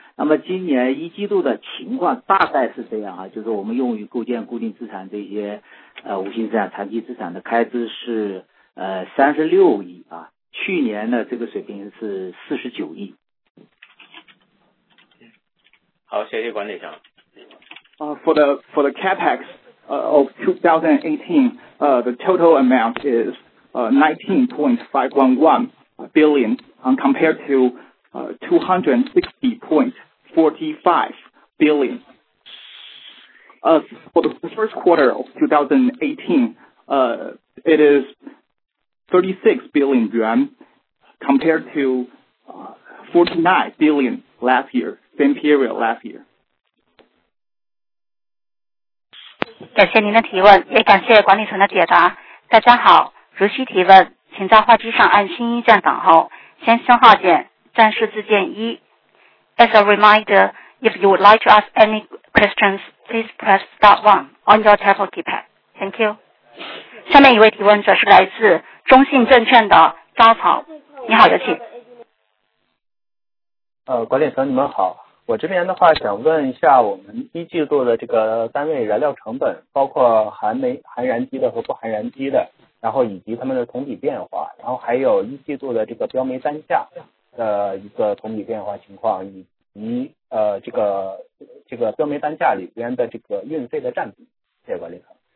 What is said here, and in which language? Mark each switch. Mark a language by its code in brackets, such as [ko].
[zh] 那么今年一季度的情况大概是这样啊，就是我们用于构建固定资产这些无形资产、长期资产的开支是36亿啊，去年呢这个水平是49亿。好，谢谢管理层。 [en] For the capex of 2018, the total amount is 19.511 billion, compared to 260.45 billion. For the first quarter of 2018, it is 36 billion yuan, compared to 49 billion last year. Same period last year. [zh] 感谢您的提问，也感谢管理层的解答。大家好，如需提问，请在话机上按星一键等候，先星号键，再是字键一。 [en] As a reminder, if you would like to ask any questions, please press star one on your telephone keypad. Thank you. [zh] 下面一位提问者是来自中信证券的张草，你好，有请。管理层你们好，我这边的话想问一下，我们一季度的这个单位燃料成本，包括含燃机的和不含燃机的，然后以及他们的同比变化，然后还有一季度的这个标煤单价的一个同比变化情况，以及这个标煤单价里边的这个运费的占比，谢谢管理层。